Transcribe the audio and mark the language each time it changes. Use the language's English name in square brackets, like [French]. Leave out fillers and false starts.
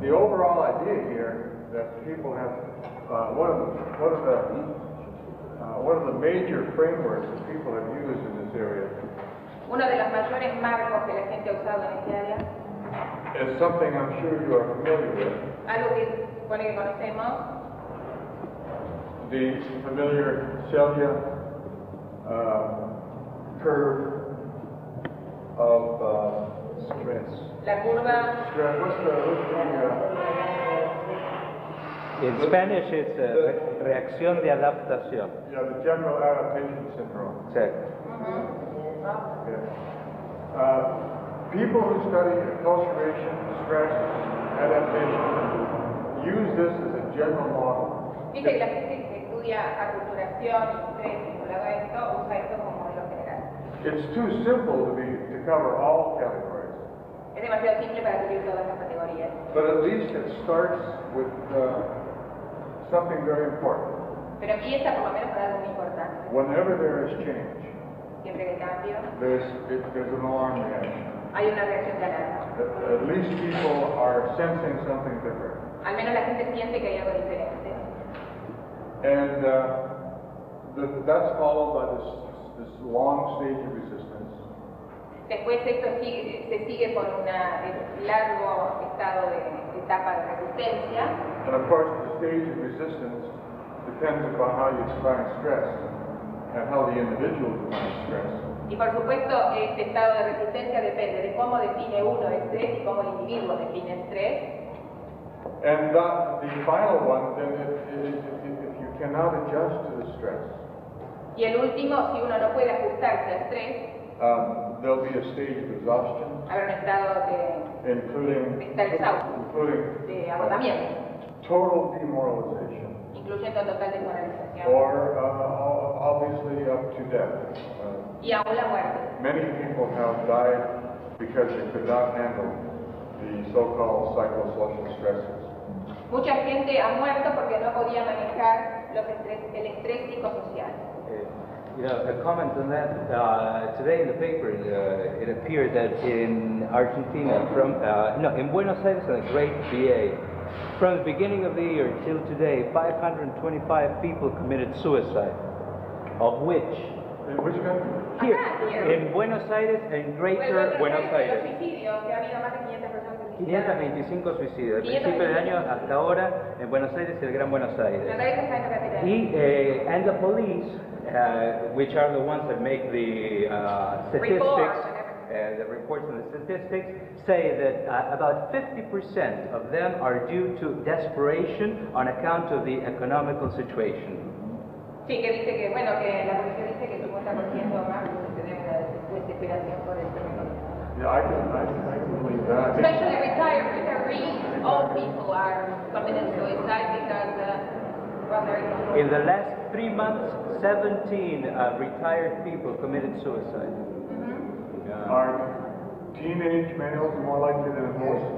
[English] The overall idea here that people have one of the major frameworks that people have used in this area. [Spanish] Uno de los mayores marcos que la gente ha usado en esta área. [English] Is something I'm sure you are familiar with. [Spanish] Algo que pone que conocemos. [English] The familiar Celia curve of stress. [Spanish] La curva. [English] In Spanish, it's a [Spanish] reacción de adaptación. [English] Yeah, the general adaptation syndrome. [Spanish] Sí. [English] Yeah. People who study acculturation, stress, adaptation, use this as a general model. [Spanish] Dice que la gente que estudia aculturación y estrés vinculado a esto usa esto como modelo general. [English] It's too simple to cover all categories. [Spanish] Es demasiado simple para cubrir todas las categorías. [English] But at least it starts with something very important. [Spanish] Pero empieza por lo menos con algo muy importante. [English] Whenever there is change, [Spanish] siempre que cambio, [English] there's an alarm reaction. [Spanish] Hay una reacción de alarma. [English] At least people are sensing something different. [Spanish] Al menos la gente siente que hay algo diferente. [English] And that's followed by this long stage of resistance. [Spanish] Después esto se sigue por un largo estado de etapa de resistencia. [English] And of course, the stage of resistance depends upon how you define stress and how the individual defines stress. [Spanish] Y por supuesto, este estado de resistencia depende de cómo define uno el estrés y cómo el individuo define el estrés. [English] And the final one, then if you cannot adjust to the stress. [Spanish] Y el último, si uno no puede ajustarse al estrés. [English] There'll be a stage of exhaustion. [Spanish] Habrá un estado de. [English] Including. [Spanish] De estar exhausto. [English] Including. [Spanish] De agotamiento. [English] Total demoralization. [Spanish] Incluyendo total desmoralización. [English] Or obviously up to death. [Spanish] Y aún la muerte. [English] Many people have died because they could not handle the so-called psychosocial stresses. [Spanish] Mucha gente ha muerto porque no podía manejar los el estrés psicosocial. [English] A comment on that. Today in the paper, it appeared that in Argentina, in Buenos Aires, in the great VA, from the beginning of the year till today, 525 people committed suicide, of which. In which country? Here. In Buenos Aires and Greater Buenos Aires. [Spanish] 525 suicidios. Desde el principio del año hasta ahora en Buenos Aires y el Gran Buenos Aires. [English] And the police, which are the ones that make the statistics, the reports and the statistics, say that about 50% of them are due to desperation on account of the economical situation. [Spanish] Sí, que dice que, bueno, que la policía dice que 50% más de desesperación por el tema. [English] Yeah, I can believe that. Especially retired old people are committing suicide because in the last 3 months, 17 retired people committed suicide. Mm-hmm. Yeah. Are teenage males more likely than most